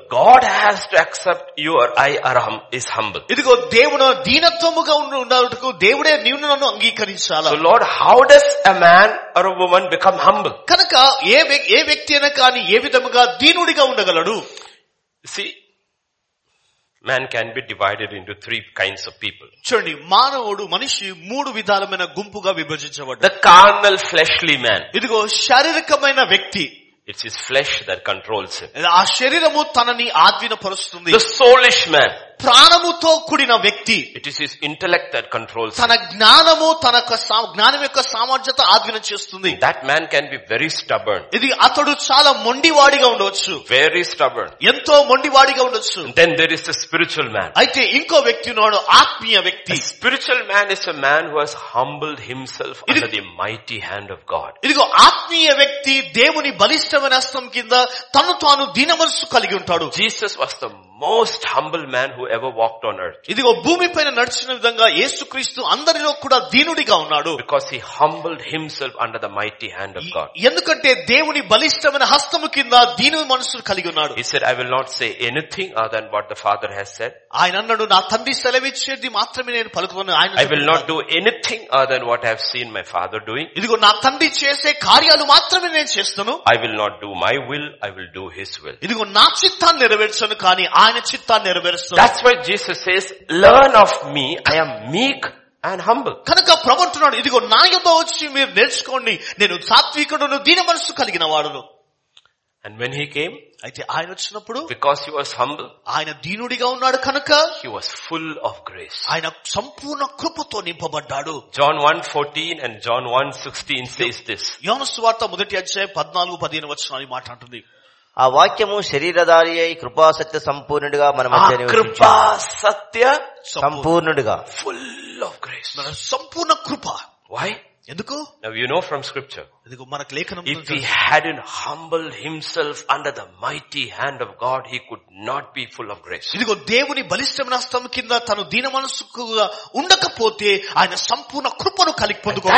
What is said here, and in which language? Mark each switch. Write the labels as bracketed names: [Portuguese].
[English] God has to accept you or I are is humble. [Telugu] ఇదిగో దేవుడు దీనత్వముగా ఉండటకు దేవుడే నిన్ను నన్ను అంగీకరించాలి. [English] So Lord, how does a man or a woman become humble? [Telugu] కనుక ఏ వ్యక్తి అయినా కానీ ఏ విధముగా దీనుడిగా ఉండగలడు? [English] See, man can be divided into three kinds of people. [Telugu] చూడండి, మానవుడు మనిషి మూడు విధాలమైన గుంపుగా విభజించబడ్డ. [English] The carnal fleshly man. [Telugu] ఇదిగో శారీరకమైన వ్యక్తి. [English] It's his flesh that controls him. [Telugu] ఆ శరీరము తనని ఆధీనపరుస్తుంది. [English] The soulish man. [Telugu] ప్రాణముతో కూడిన వ్యక్తి. [English] It is his intellect that controls [Telugu] తన జ్ఞానము తన జ్ఞానం యొక్క సామర్థ్యత ఆధీనం చేస్తుంది. [English] That man can be very stubborn. [Telugu] ఇది అతడు చాలా మొండివాడిగా ఉండవచ్చు. [English] Very stubborn. [Telugu] ఎంతో మొండివాడిగా ఉండొచ్చు. [English] Then there is the spiritual man. [Telugu] అయితే ఇంకో వ్యక్తి ఉన్నాడు, ఆత్మీయ వ్యక్తి. [English] A spiritual man is a man who has humbled himself under the mighty hand of God. [Telugu] ఇదిగో ఆత్మీయ వ్యక్తి దేవుని బలిష్టమైన హస్తం కింద తను తాను దీన మనస్సు కలిగి ఉంటాడు. [English] Jesus was the most humble man who ever walked on earth. [Telugu] ఇదిగో భూమిపైన నడిచిన విధంగా యేసుక్రీస్తు అందరిలో కూడా దీనుడిగా ఉన్నాడు. [English] Because he humbled himself under the mighty hand of God. [Telugu] ఎందుకంటే దేవుని బలిష్టమైన హస్తము కింద దీని మనసును కలిగి ఉన్నాడు. [English] He said, I will not say anything other than what the Father has said. [Telugu] ఆయన అన్నాడు నా తండ్రి సెలవిచ్చేది మాత్రమే నేను పలుకుతాను. ఆయన [English] I will not do anything other than what I have seen my Father doing. [Telugu] ఇదిగో నా తండ్రి చేసే కార్యాలు మాత్రమే నేను చేస్తాను. [English] I will not do my will, I will do his will. [Telugu] ఇదిగో నా చిత్తాన్ని నెరవేర్చను కానీ ఆయన చిత్తాన్ని నెరవేరుస్తాను. [English] That's why Jesus says, learn of me, I am meek and humble. [Telugu] కనుక ప్రభు అంటున్నాడు ఇదిగో నా యొద్దకు వచ్చి మీరు నేర్చుకోండి నేను సాత్వికుడను దీన మనస్సు కలిగిన వాడును. [English] And when he came, [Telugu] అయితే ఆయన వచ్చినప్పుడు, [English] because he was humble, [Telugu] ఆయన దీనుడిగా ఉన్నాడు కనుక, [English] he was full of grace. [Telugu] ఆయన సంపూర్ణ కృపతో నింపబడ్డాడు. [English] John 1:14 and John 1:16 says this. [Telugu] యోహాను సువార్త మొదటి అధ్యాయం 14:15 వచనాలు మాట్లాడుతుంది. ఆ వాక్యము శరీరధారి అయి కృపా సత్య సంపూర్ణుడిగా మన మధ్య కృపా సత్య సంపూర్ణుడిగా [English] full of grace [Telugu] Sampoorna Krupa. [English] why [Telugu] ఎందుకు? [English] Now you know from scripture. [Telugu] ఇదిగో మనకు లేఖనం. [English] If he hadn't humbled himself under the mighty hand of God, he could not be full of grace. [Telugu] ఇదిగో దేవుని బలిష్టమైన హస్తము కింద తను దీన మనసుగా ఉండకపోతే ఆయన సంపూర్ణ కృపను కలిగి పొందుకోలేదు.